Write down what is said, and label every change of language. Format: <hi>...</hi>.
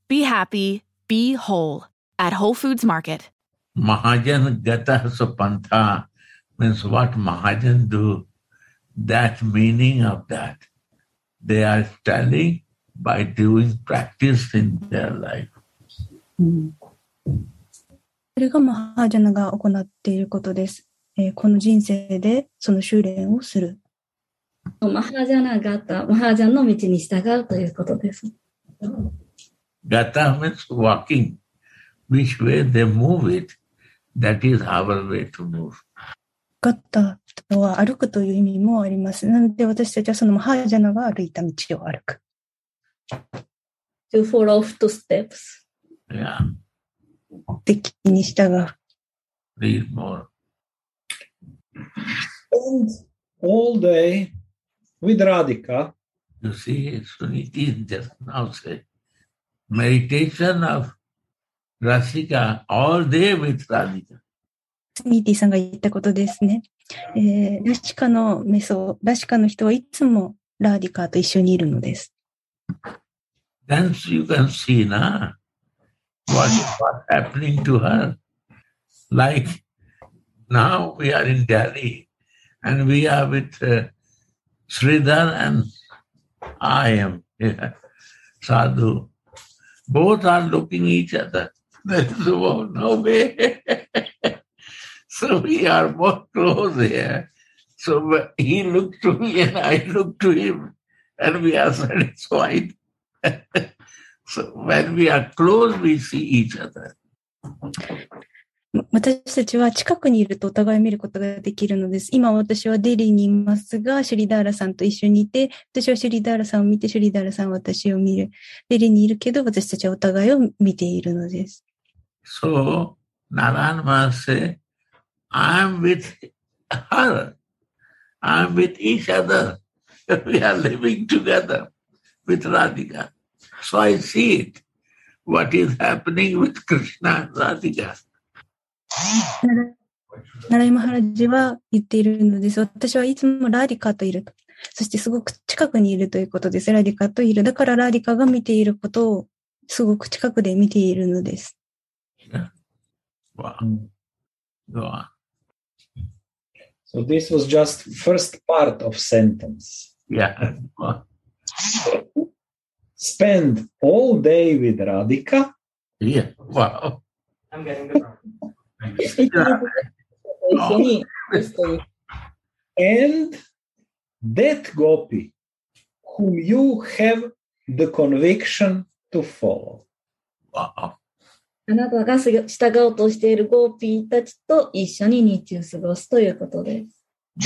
<en>Be happy, be whole at Whole Foods Market. Mahajan Gata Supanta means what Mahajan do, that meaning of that. They are telling by doing practice in their life.</en> <ja>それがマハジャナが行っていることです。この人生でその修練をする。マハジャナガタ、マハジャンの道に従うということです。</ja> <en>Gata means walking. Which way they move it, that is our way to move.</en> <ja>Gata とは歩くという意味もあります。なので私たちはそのマハジャナが歩いた道を歩く。</ja> <en>To follow footsteps. Yeah.</en> <ja>敵に従う。</ja> <en>Read more. And all day with Radhika. You see, Suniti just now said, meditation of Rasika all day with Radhika.</en> <ja>Suniti さんが言ったことですね。ラシカの瞑想、ラシカの人はいつもラディカと一緒にいるのです。</ja> <en>Then you can see now what's happening to her. Like now we are in Delhi and we are with Sridhar and I am Sadhu. Both are looking each other. There is no way. So we are both close here. So he looked to me and I looked to him. And we are satisfied. So when we are close, we see each other.</en> <ja>私たちは近くにいるとお互い見ることができるのです。今私はデリーにいますが、シュリダーラさんと一緒にいて、私はシュリダーラさんを見て、シュリダーラさんは私を見る。デリーにいるけど、私たちはお互いを見ているのです。</ja> <en>So, Narayan Maharaj said, I am with her. and with each other, we are living together with Radhika. So I see it, what is happening with Krishna and Radhika.</en> <ja>Narai Maharaj は言っているのです。私はいつもラディカといると。そしてすごく近くにいるということです。ラディカといる。だからラディカが見ていることをすごく近くで見ているのです。</ja> <en>Wow. Wow. So this was just first part of sentence. Yeah. Spend all day with Radhika. Yeah. Wow. I'm getting the wrong. And that gopi whom you have the conviction to follow. Wow.</en> <ja>あなたが従おうとしているゴーピーたちと一緒に日中過ごすということです。</ja>